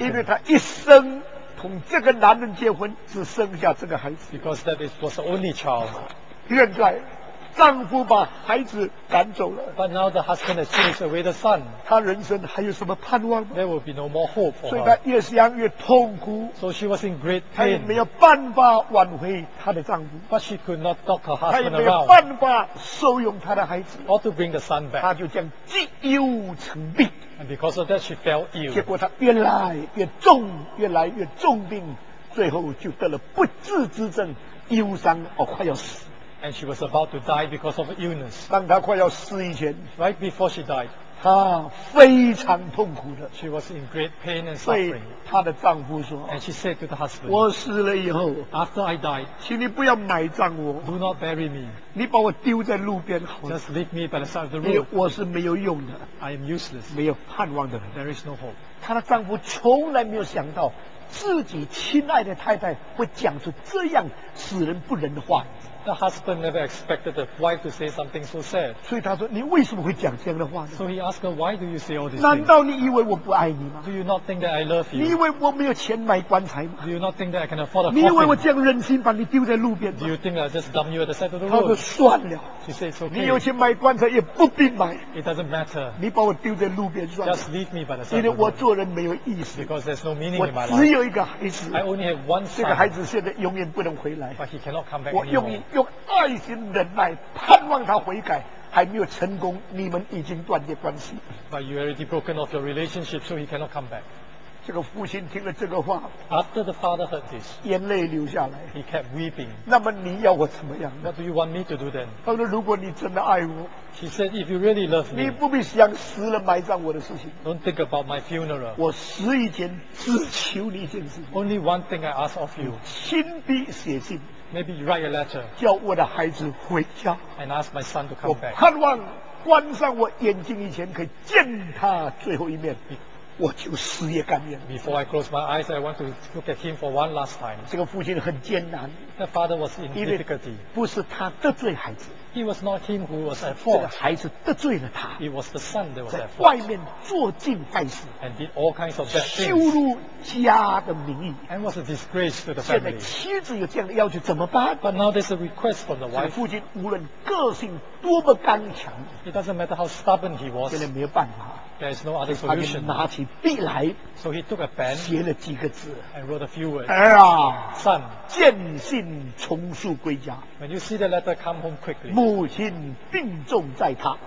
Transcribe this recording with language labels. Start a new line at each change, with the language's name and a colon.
Chinese: 因为她一生从这个男人结婚只剩下这个孩子。
English: Because that was the only child.
Chinese: 现在。丈夫把孩子赶走了。
English: But now the husband has chased away the son.
Chinese: 他人生还有什么盼望吗？
English: There will be no more hope for her.
Chinese: 所以她越想越痛苦。
English: So she was in great pain.
Chinese: 她也没有办法挽回她的丈夫。
English: But she could not talk her husband around.
Chinese: 她也没有办法收容她的孩子。
English: Or to bring the son back.
Chinese: 她就这样积忧成病。
English: And because of that she fell ill.
Chinese: 结果她越来越重，越来越重病，最后就得了不治之症，忧伤哦，快要死。
English: And she was about to die because of illness.
Chinese: 当她快要死以前
English: ，right before she died,
Chinese: 她非常痛苦的。
English: She was in great pain and suffering.
Chinese: 所以她的丈夫说
English: ，and she said to the husband,
Chinese: 我死了以后
English: ，after I died,
Chinese: 请你不要埋葬我
English: ，do not bury me.
Chinese: 你把我丢在路边好
English: ，just leave me by the side of the road.
Chinese: 我是没有用的
English: ，I am useless.
Chinese: 没有盼望的人
English: ，there is no hope.
Chinese: 她的丈夫从来没有想到自己亲爱的太太会讲出这样使人不仁的话。
English: The husband never expected the wife to say something so sad.
Chinese: 所以他说，你为什么会讲这样的话呢？
English: So he asked her, why do you say all these things?
Chinese: 难道你以为我不爱你吗？
English: Do you not think that I love you?
Chinese: 你以为我没有钱买棺材吗？
English: Do you not think that I can afford a coffin?
Chinese: 你以为我这样忍心把你丢在路边吗？
English: Do you think I just dump you at the side of the road?
Chinese: 他说算了。
English: She said it's okay.
Chinese: 你有钱买棺材也不必买。
English: It doesn't matter.
Chinese: 你把我丢在路边算了。
English: Just leave me by the side of the road.
Chinese: 因为我做人没有意思。
English: Because there's no meaning in my life.
Chinese: 我只有一个孩子。
English: I only have one son.
Chinese: 这个孩子现在永远不能回来。
English: But he cannot come back anymore.
Chinese: 用爱心忍耐盼望他悔改还没有成功你们已经断绝关系
English: But you already broken off your relationship so he cannot come back
Chinese: 这个父亲听了这个话
English: After the father heard this
Chinese: 眼泪流下来
English: He kept weeping
Chinese: 那么你要我怎么样
English: What do you want me to do then
Chinese: 他说如果你真的爱我
English: She said if you really love me
Chinese: 你不必想死了埋葬我的事情
English: Don't think about my funeral
Chinese: 我死以前只求你一件事情
English: Only one thing I ask of you
Chinese: 亲笔写信
English: Maybe you write a letter.
Chinese: 叫我的孩子回家。
English: And ask my son to come back.
Chinese: 我盼望关上我眼睛以前可以见他最后一面，我就死也甘愿。
English: Before I close my eyes, I want to look at him for one last time.
Chinese: 这个父亲很艰难。
English: The father was in difficulty.
Chinese: 不是他得罪孩子。
English: It was not him who was at fault.
Chinese: 这个孩子得罪了他。
English: It was the son that was at fault.
Chinese: 在外面做尽坏事。
English: And did all kinds of bad things.
Chinese: 羞辱家的名义。
English: And was a disgrace to the family.
Chinese: 现在妻子有这样的要求怎么办？
English: But now there's a request from the wife.
Chinese: 这个父亲无论个性多么刚强。
English: It doesn't matter how stubborn he was.
Chinese: 现在没有办法。
English: There's no other solution.
Chinese: 他就拿起笔来。
English: So he took a pen.
Chinese: 写了几个字。
English: And wrote a few words.
Chinese: 儿啊。
English: Son.
Chinese: 见信从速归家。
English: When you see the letter, come home quickly.
Chinese: 母亲病重在她